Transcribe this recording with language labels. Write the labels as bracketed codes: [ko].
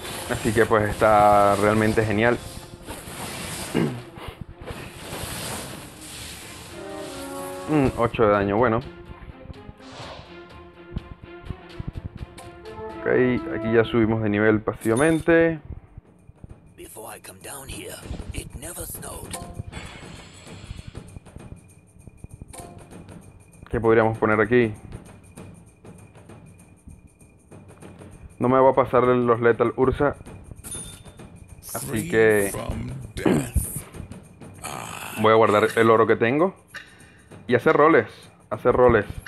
[es] Así que pues está realmente genial. 8 de daño, bueno. Ok, aquí ya subimos de nivel pasivamente. [en] Before I come down here, it never snowed. [es] ¿Qué podríamos poner aquí? No me va a pasar los Lethal Ursa. Así que... voy a guardar el oro que tengo. Y hacer roles. Hacer roles.